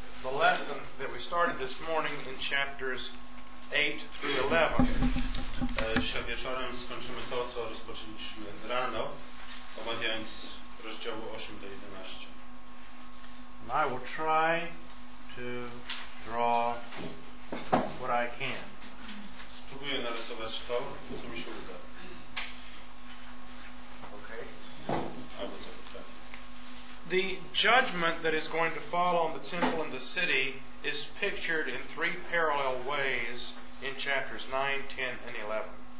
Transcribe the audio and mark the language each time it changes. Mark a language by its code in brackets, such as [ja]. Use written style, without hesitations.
[en] lesson that we started this morning in chapters 8 through 11. [pl] Dzisiaj wieczorem skończymy to, co rozpoczęliśmy rano, omawiając rozdziały 8 do 11. [en] And I will try to draw what I can. [pl] Spróbuję narysować to, co mi się uda. [en] Okay. [pl] Albo co. [en] The judgment that is going to fall on the temple and the city is pictured in three parallel ways in chapters 9, 10, and 11.